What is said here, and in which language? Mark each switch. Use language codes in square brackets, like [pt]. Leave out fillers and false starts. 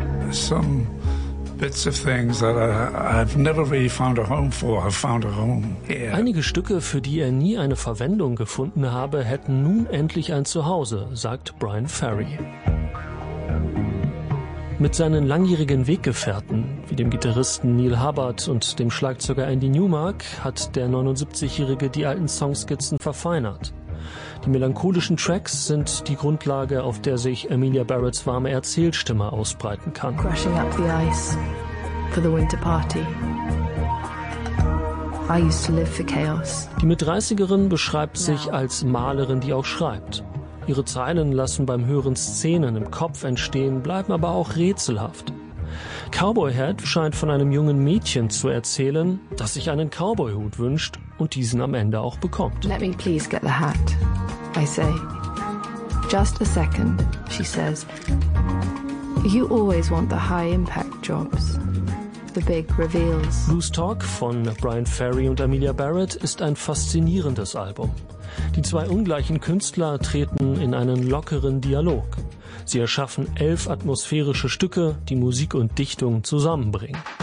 [en] Some bits of things that I've never really found a home for, I've found a home here. [de] Einige Stücke, für die er nie eine Verwendung gefunden habe, hätten nun endlich ein Zuhause, sagt Brian Ferry. Mit seinen langjährigen Weggefährten, wie dem Gitarristen Neil Hubbard und dem Schlagzeuger Andy Newmark, hat der 79-Jährige die alten Songskizzen verfeinert. Die melancholischen Tracks sind die Grundlage, auf der sich Amelia Barretts warme Erzählstimme ausbreiten kann. [en] Crushing up the ice for the winter party. I used to live for chaos. [de] Die Mit-30erin beschreibt sich als Malerin, die auch schreibt. Ihre Zeilen lassen beim Hören Szenen im Kopf entstehen, bleiben aber auch rätselhaft. Cowboy Hat scheint von einem jungen Mädchen zu erzählen, das sich einen Cowboyhut wünscht und diesen am Ende auch bekommt. [en] Let me please get the hat, I say. Just a second, she says. You always want the high impact jobs, the big reveals. [de] Blues Talk von Brian Ferry und Amelia Barrett ist ein faszinierendes Album. Die zwei ungleichen Künstler treten in einen lockeren Dialog. Sie erschaffen 11 atmosphärische Stücke, die Musik und Dichtung zusammenbringen.